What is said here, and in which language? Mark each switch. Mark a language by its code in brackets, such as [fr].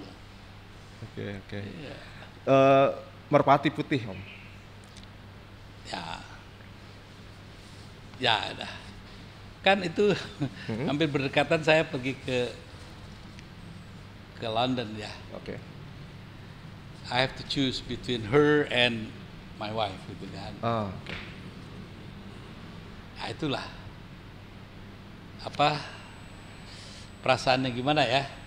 [id] Oke, okay, oke. Okay. Iya. Merpati putih, Om. Ya. Ya, dah. Kan itu hampir berdekatan saya pergi ke London ya. Oke. Okay. [en] I have to choose between her and my wife, [id] gitu kan. Oh, [en] okay. [id] Nah, itulah. Apa, perasaannya gimana ya?